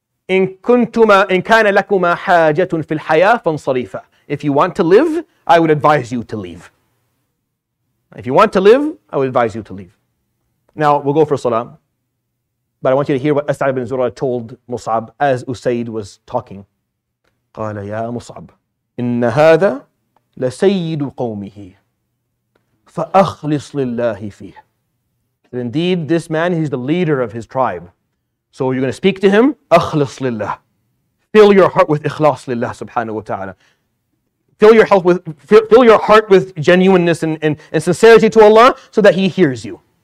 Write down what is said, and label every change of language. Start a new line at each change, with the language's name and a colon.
Arabic: إِن كُنْتُمَا إِن كَانَ لَكُمَا حَاجَةٌ فِي الْحَيَاةِ فَانْصَرِفَ.
English: If you want to live, I would advise you to leave. If you want to live, I would advise you to leave. Now, we'll go for salam. But I want you to hear what As'ad ibn Zurara told Mus'ab as Usayd was talking.
Arabic: قال يا مصعب إن هذا لسيد قومه فأخلص لله فيه.
English: Indeed, this man, he's the leader of his tribe. So you're going to speak to him,
Arabic: أخلص لله.
English: Fill your heart with
Arabic: إخلاص لله سبحانه وتعالى.
English: Fill your heart with genuineness and sincerity to Allah so that He hears you.